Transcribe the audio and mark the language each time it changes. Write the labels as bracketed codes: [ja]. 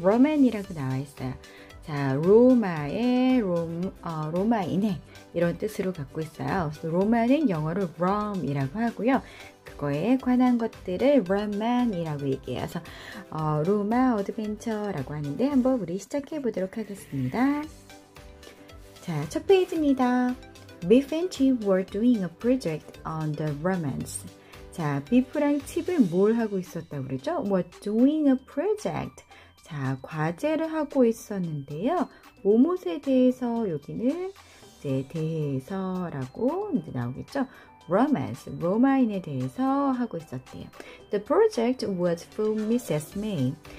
[ko] Roman이라고 나와 있어요. 자, 로마의 로마인의 이런 뜻으로 갖고 있어요. 그래서 로마는 영어로 Rome이라고 하고요. 그거에 관한 것들을 Roman이라고 얘기해서 로마 어드벤처라고 하는데 한번 우리 시작해 보도록 하겠습니다. 자, 첫 페이지입니다. [en] Biff and Chip were doing a project on the romance. [ko] 자, Biff랑 Chip은 뭘 하고 있었다고 그러죠? [en] Were doing a project. [ko] 자, 과제를 하고 있었는데요. 오못에 대해서 여기는 이제 대해서라고 이제 나오겠죠? [en] Romance, [ko] 로마인에 대해서 하고 있었대요. [en] The project was for Mrs. May.